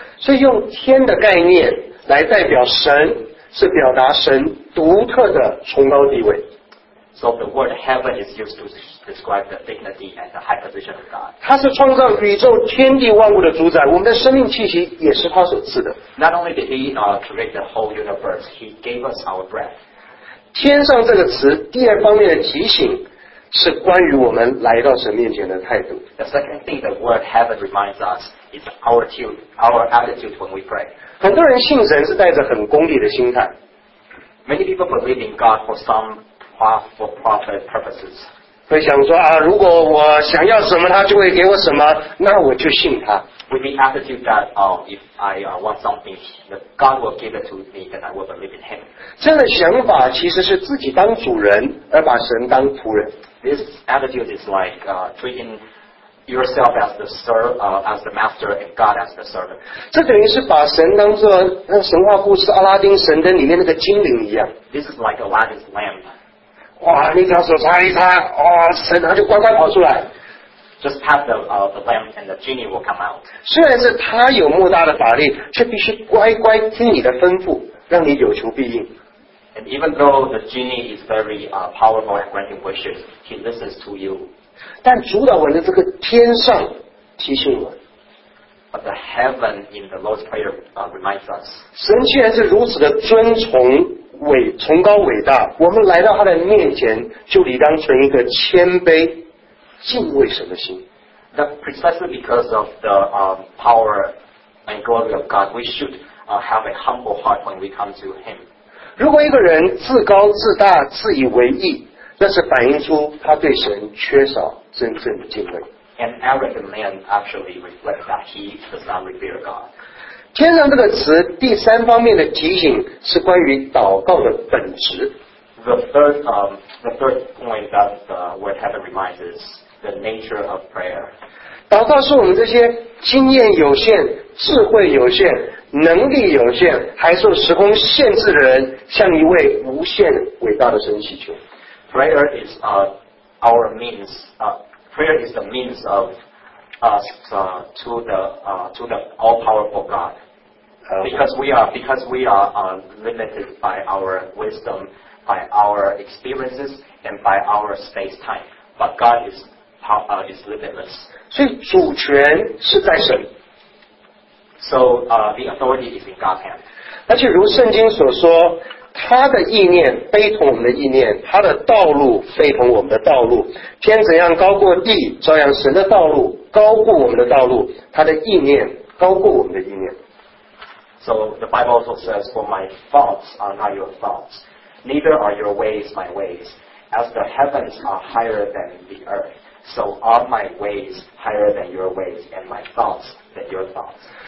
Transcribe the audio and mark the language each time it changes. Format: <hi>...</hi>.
<zh>所以用天的概念来代表神，是表达神独特的崇高地位。</zh> <en>So the word heaven is used to describe the dignity and the high position of God.</en> <zh>他是创造宇宙天地万物的主宰，我们的生命气息也是他所赐的。</zh> <en>Not only did he create the whole universe, he gave us our breath.</en> <zh>天上这个词，第二方面的提醒是关于我们来到神面前的态度。</zh> <en>The second thing the word heaven reminds us is our attitude when we pray.</en> <zh>很多人信神是带着很功利的心态。</zh> <en>Many people believe in God for some profit purposes.</en> <zh>会想说啊，如果我想要什么，他就会给我什么，那我就信他。</zh> <en>With the attitude that if I want something, God will give it to me, and I will believe in Him.</en> <zh>这样的想法其实是自己当主人，而把神当仆人。</zh> <en>This attitude is like treating yourself as the master and God as the servant.</en> <zh>这等于是把神当作那神话故事阿拉丁神灯里面那个精灵一样。</zh> <en>This is like Aladdin's lamp.</en> <zh>哇，你只要手擦一擦，哇，神他就乖乖跑出来。</zh> <en>Just pat the lamp and the genie will come out.</en> <zh>虽然是他有莫大的法力，却必须乖乖听你的吩咐，让你有求必应。</zh> <en>And even though the genie is very powerful at granting wishes, he listens to you.</en> <zh>但主导文的这个天上提醒我。</zh> <en>But the heaven in the Lord's Prayer reminds us.</en> <zh>神既然是如此的尊崇伟崇高伟大，我们来到他的面前，就理当存一个谦卑。敬畏神的心。</zh> <en>That precisely because of the power and glory of God, we should have a humble heart when we come to Him.</en> <zh>如果一个人自高自大、自以为意，那是反映出他对神缺少真正的敬畏。</zh> <en>An arrogant man actually reflects that he does not revere God.</en> <zh>天上这个词第三方面的提醒是关于祷告的本质。</zh> <en>The third point that the word heaven reminds is the nature of prayer.</en> <zh>祷告是我们这些经验有限、智慧有限、能力有限、还受时空限制的人向一位无限伟大的神祈求。</zh> <en>Prayer is our means. Prayer is the means of us to the all powerful God. Because we are limited by our wisdom. By our experiences and by our space time. But God is limitless.</en> <zh>所以主权是在神。</zh> <en>So the authority is in God's hand.</en> <zh>而且如圣经所说，他的意念非同我们的意念，他的道路非同我们的道路。天怎样高过地，照样神的道路高过我们的道路，他的意念高过我们的意念。</zh> <en>So the Bible also says, for my thoughts are not your thoughts, neither are your ways my ways. As the heavens are higher than the earth, so are my ways higher than your ways, and my thoughts than your thoughts.</en>